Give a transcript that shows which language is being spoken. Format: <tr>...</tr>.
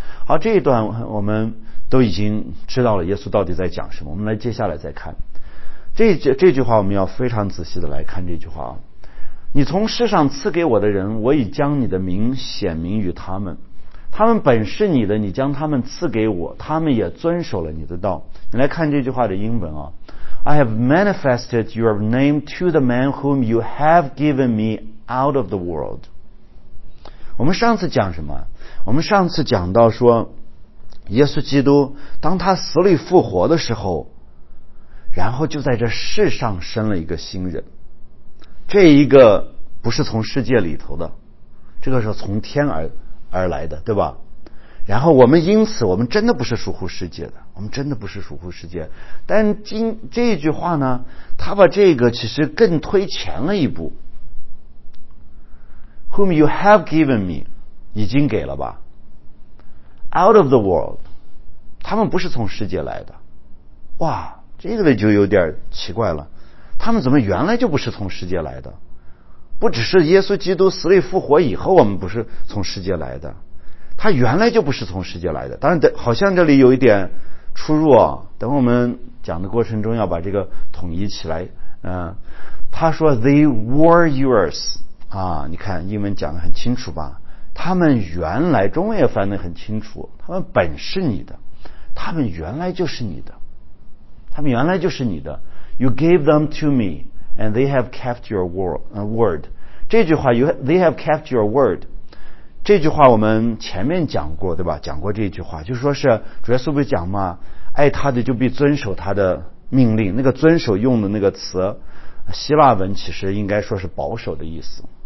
<zh>好，这一段我们都已经知道了耶稣到底在讲什么，我们来接下来再看这句话，我们要非常仔细的来看这句话啊。你从世上赐给我的人，我已将你的名显明于他们，他们本是你的，你将他们赐给我，他们也遵守了你的道。你来看这句话的英文啊，</zh> <en>I have manifested your name to the man whom you have given me out of the world。</en> <zh>我们上次讲什么？我们上次讲到说，耶稣基督当他死里复活的时候，然后就在这世上生了一个新人，这一个不是从世界里头的，这个是从天而来的，对吧？然后我们因此，我们真的不是属乎世界的，我们真的不是属乎世界。但这句话呢，他把这个其实更推前了一步。</zh> <en>Whom you have given me，</en> <zh>已经给了吧 ？</zh> <en>Out of the world，</en> <zh>他们不是从世界来的，哇！这个就有点奇怪了，他们怎么原来就不是从世界来的？不只是耶稣基督死里复活以后我们不是从世界来的，他原来就不是从世界来的。当然好像这里有一点出入啊，等我们讲的过程中要把这个统一起来。他说</zh> <en>they were yours</en> <zh>啊，你看英文讲得很清楚吧，他们原来，中文也翻得很清楚，他们本是你的，他们原来就是你的，他们原来就是你的。</zh> <en>You gave them to me and they have kept your word。</en> <zh>这句话</zh> <en>they have kept your word，</en> <zh>这句话我们前面讲过，对吧？讲过这句话，就是说是主耶稣不是讲吗，爱他的就必遵守他的命令。那个遵守用的那个词，希腊文其实应该说是保守的意思。</zh>